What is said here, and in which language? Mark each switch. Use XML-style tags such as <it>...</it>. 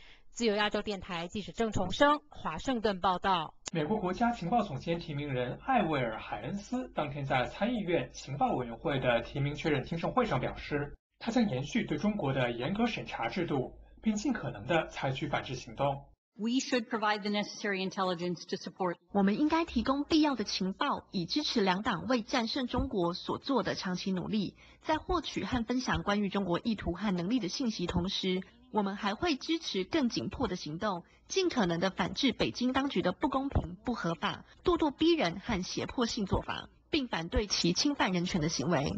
<zh>自由亚洲电台记者郑重生华盛顿报道。美国国家情报总监提名人艾维尔·海恩斯当天在参议院情报委员会的提名确认听证会上表示，他将延续对中国的严格审查制度，并尽可能地采取反制行动。</zh> <en>We should provide the necessary intelligence to support.</en> <zh>我们应该提供必要的情报，以支持两党为战胜中国所做的长期努力。在获取和分享关于中国意图和能力的信息同时，我们还会支持更紧迫的行动，尽可能地反制北京当局的不公平、不合法、咄咄逼人和胁迫性做法，并反对其侵犯人权的行为。</zh>